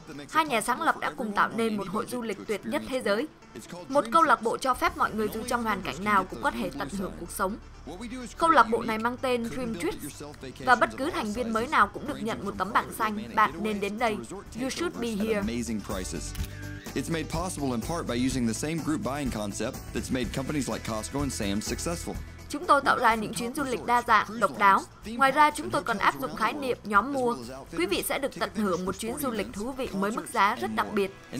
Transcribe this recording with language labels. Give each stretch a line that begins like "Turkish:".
Vietnamese: Hai nhà sáng lập đã cùng tạo nên một hội du lịch tuyệt nhất thế giới. Một câu lạc bộ cho phép mọi người dù trong hoàn cảnh nào cũng có thể tận hưởng cuộc sống. Câu lạc bộ này mang tên Dream Trip và bất cứ thành viên mới nào cũng được nhận một tấm bảng xanh, bạn nên đến đây,
English: You should be here. It's made possible in part by using the same group buying concept that's made companies like Costco and Sam's successful.
Vietnamese: Chúng tôi tạo ra những chuyến du lịch đa dạng, độc đáo. Ngoài ra, chúng tôi còn áp dụng khái niệm nhóm mua. Quý vị sẽ được tận hưởng một chuyến du lịch thú vị mới mức giá rất đặc biệt.